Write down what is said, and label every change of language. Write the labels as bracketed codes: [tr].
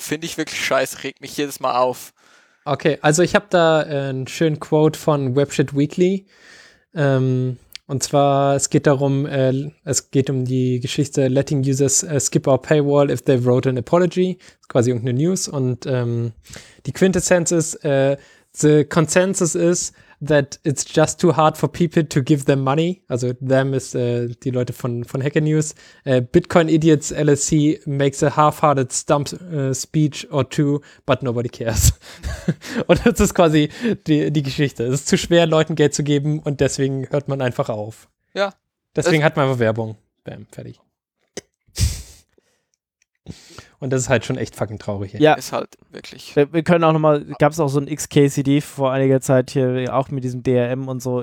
[de] Finde ich wirklich scheiße. Regt mich jedes Mal auf. Okay, also ich habe da einen schönen Quote von Webshit Weekly. Und zwar, es geht darum, es geht um die Geschichte [en] Letting Users Skip Our Paywall If They Wrote an Apology. [de] Das ist quasi irgendeine News. Und die Quintessenz ist, [en] the consensus is that it's just too hard for people to give them money. [de] Also them ist die Leute von Hacker News. [en] Bitcoin Idiots LLC makes a half-hearted stump speech or two, but nobody cares. [de] Und das ist quasi die Geschichte. Es ist zu schwer, Leuten Geld zu geben und deswegen hört man einfach auf. Ja. Deswegen hat man einfach Werbung. Bam, fertig. Und das ist halt schon echt fucking traurig. Ja, ist halt wirklich. Wir können auch nochmal, gab es auch so ein XKCD vor einiger Zeit hier, auch mit diesem DRM und so.